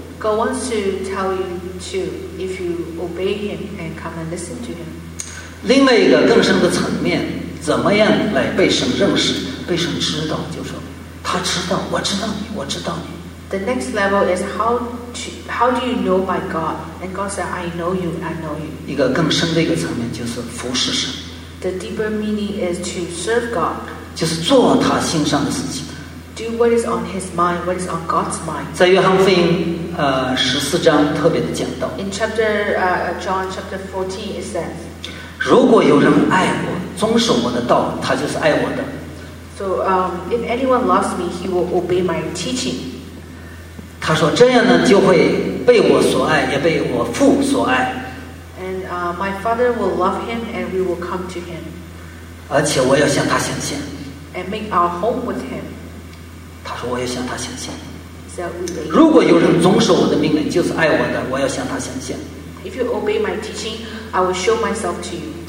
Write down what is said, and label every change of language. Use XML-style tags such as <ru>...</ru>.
<en>God wants to tell you too if you obey him and come and listen to him.</en> <zh>另外一个更深的层面，怎么样来被神认识、被神知道？就是、说他知道，我知道你，我知道你。</zh> <en>The next level is how do you know by God? And God said, I know you, I know you.</en> <zh>一个更深的一个层面就是服侍神。</zh> <en>The deeper meaning is to serve God.</en> <zh>就是做他心上的事情。</zh> <en>Do what is on his mind, what is on God's mind.</en> <zh>在约翰福音十四章特别的讲到。</zh> <en>In chapter John chapter 14 it says.</en> <zh>如果有人爱我，遵守我的道，他就是爱我的。</zh> <en>So if anyone loves me, he will obey my teaching.</en> <zh>他说这样呢，就会被我所爱，也被我父所爱。</zh> <en>And my father will love him, and we will come to him.</en> <zh>而且我要向他显现。</zh> <en>And make our home with him.</en> <zh>他说我要向他显现、</zh> <en>so、</en> <zh>如果有人遵守我的命令就是爱我的我要向他显现</zh> <en>If you obey my teaching, I will show myself to you.</en>